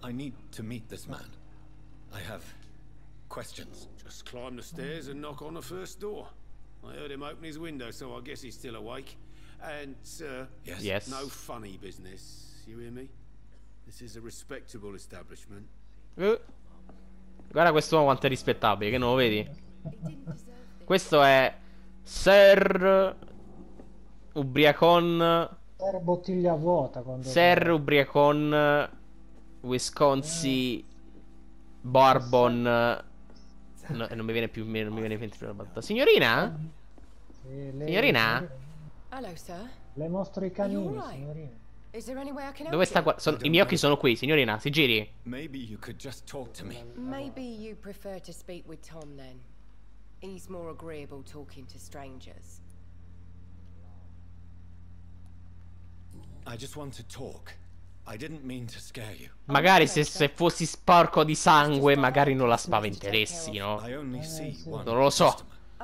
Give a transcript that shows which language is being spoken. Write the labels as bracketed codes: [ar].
[en] I need to meet this man. I have questions. Just climb the stairs and knock on the first door. I heard him open his window, so I guess he's still awake. And, sir, yes. No funny business. You hear me? This is a respectable establishment. [it] Guarda questo uomo quanto è rispettabile, che non lo vedi? Questo è Sir Ubriacon. Sir Bottiglia Vuota. Sir Ubriacon Wisconsin Bourbon. No, non mi viene più, non mi viene più la battuta. Signorina? Signorina? [en] Hello, sir. [it] Le mostro i canini, signorina. [en] Is there any way I can help? [it] Dove sta qua? I miei occhi sono qui, signorina, si giri. [en] Maybe you could just talk to me. Maybe you prefer to speak with Tom then. He's more agreeable talking to strangers. I just want to talk. I didn't mean to scare you. [it] Magari se fossi sporco di sangue, magari non la spaventeressi, no? Non lo so.